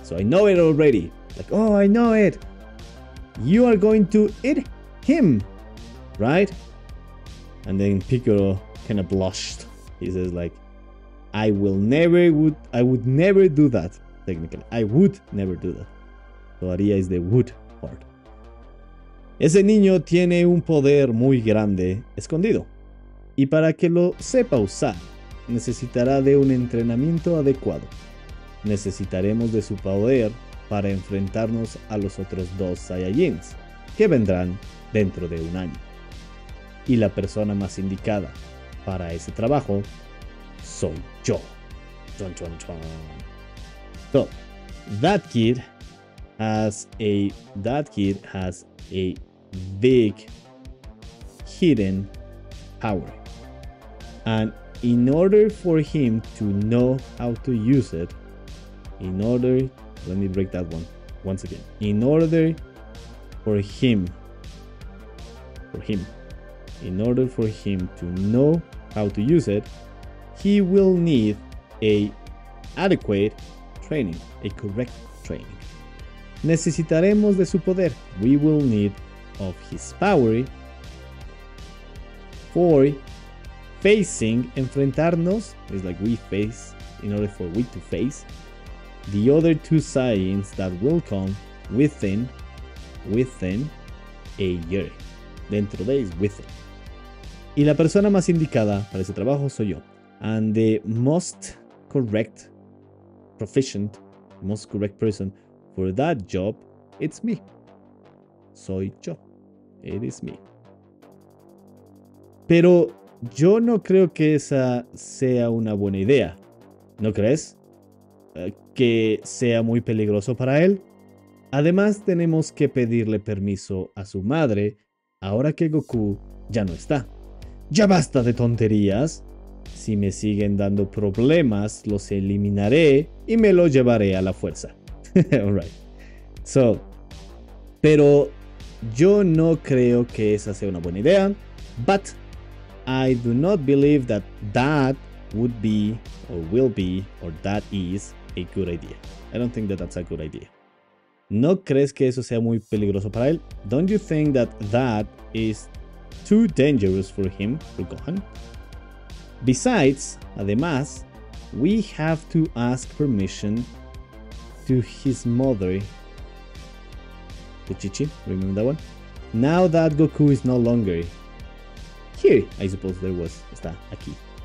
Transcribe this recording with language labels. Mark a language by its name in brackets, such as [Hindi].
[English] So I know it already. Like, oh, I know it. You are going to eat him, right? And then Piccolo kind of blushed. He says like, I would never do that, technically. I would never do that. [Spanish] Lo haría es [English] the would part. [Spanish] Ese niño tiene un poder muy grande escondido. Y para que lo sepa usar, necesitará de un entrenamiento adecuado. Necesitaremos de su poder para enfrentarnos a los otros dos Saiyajins, que vendrán dentro de un año. Y la persona más indicada para ese trabajo soy yo. Chon, chon, chon. [English] So, that kid has a big hidden power. And in order for him to know how to use it, let me break that one once again. In order for him In order for him to know how to use it, he will need a adequate training, a correct training. [Spanish] Necesitaremos de su poder. [English] We will need of his power for facing, enfrentarnos, is like we face, in order for we to face, the other two signs that will come within a year. Dentro de is within. [Spanish] Y la persona más indicada para ese trabajo soy yo. [English] And the most correct, proficient, most correct person for that job, it's me. [Spanish] Soy yo. [English] It is me. [Spanish] Pero yo no creo que esa sea una buena idea. ¿No crees? ¿Que sea muy peligroso para él? Además, tenemos que pedirle permiso a su madre ahora que Goku ya no está. ¡Ya basta de tonterías! Si me siguen dando problemas, los eliminaré y me lo llevaré a la fuerza. [English] All right. [Spanish] So, pero yo no creo que esa sea una buena idea. [English] But I do not believe that that would be or will be or that is a good idea. I don't think that that's a good idea. [Spanish] ¿No crees que eso sea muy peligroso para él? [English] Don't you think that that is too dangerous for him, for Gohan? Besides, además, we have to ask permission to his mother. The Chichi, remember that one? Now that Goku is no longer here, I suppose there was, [Spanish] está aquí.